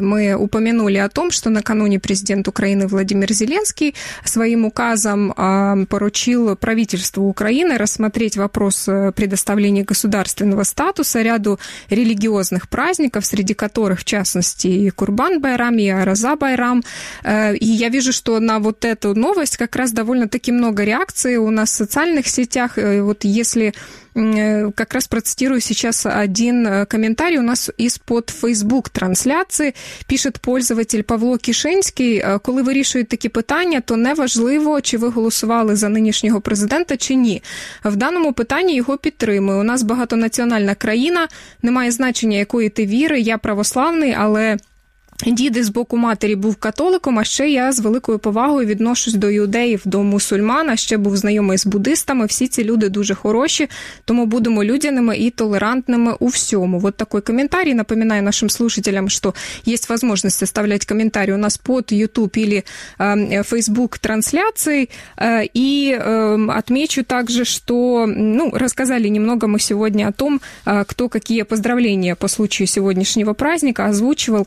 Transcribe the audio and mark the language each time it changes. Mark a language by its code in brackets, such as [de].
[ru] Мы упомянули о том, что накануне президент Украины Владимир Зеленский своим указом поручил правительству Украины рассмотреть вопрос предоставления государственного статуса ряду религиозных праздников, среди которых, в частности, и Курбан-Байрам, и Ораза-Байрам. И я вижу, что на вот эту новость как раз довольно-таки много реакций у нас в социальных сетях. Вот если как раз процитирую сейчас один комментарий у нас из-под Facebook-трансляции. Пишет пользователь [uk] Павло Кишинський: «Коли вирішують такі питання, то неважливо, чи ви голосували за нинішнього президента, чи ні. В даному питанні його підтримую. У нас багатонаціональна країна, немає значення, якої ти віри, я православний, але дід з боку матері був католиком, а ще я з великою повагою відношусь до іудеїв, до мусульман, а ще був знайомий з буддистами. Всі ці люди дуже хороші, тому будемо людяними і толерантними у всьому». [ru] Вот такой комментарий. Напоминаю нашим слушателям, что есть возможность оставлять комментарий у нас под YouTube или Facebook трансляцией. И отмечу также, что, ну, рассказали немного мы сегодня о том, кто какие поздравления по случаю сегодняшнего праздника озвучивал.